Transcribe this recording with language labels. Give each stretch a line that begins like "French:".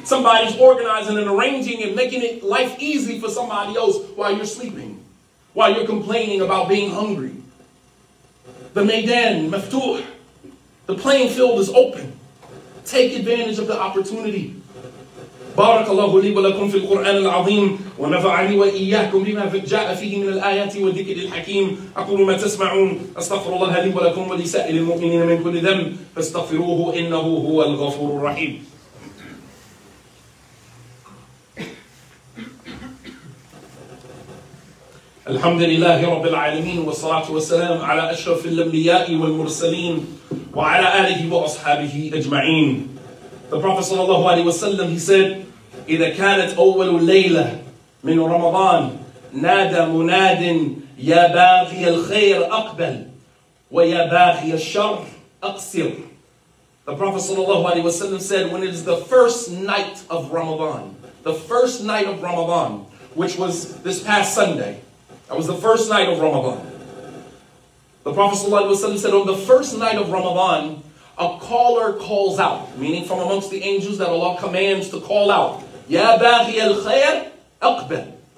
English: Somebody's organizing and arranging and making it life easy for somebody else while you're sleeping. While you're complaining about being hungry. The
Arabic: maydan, maftuh.
English: The playing field is open. Take advantage of the opportunity.
Arabic: بارك الله لي ولكم في القرآن العظيم ونفعني وإياكم بما جاء فيه من الآيات والذكر الحكيم أقول ما تسمعون أستغفر الله لي ولكم ولسائر المؤمنين من كل ذنب فاستغفروه إنه هو الغفور الرحيم. الحمد لله رب العالمين والصلاة والسلام على أشرف الأنبياء والمرسلين وعلى آله وأصحابه أجمعين.
English: The Prophet sallallahu alaihi wasallam, he said,
Arabic: إذا كانت أول ليلة من رمضان نادى مناد يا باغي الخير أقبل ويا باغي الشر أقصر.
English: The Prophet sallallahu alaihi wasallam said, when it is the first night of Ramadan, the first night of Ramadan, which was this past Sunday, that was the first night of Ramadan. The Prophet sallallahu alaihi wasallam said, on the first night of Ramadan, a caller calls out, meaning from amongst the angels that Allah commands to call out,
Arabic: Ya baghi al khair, aqbal.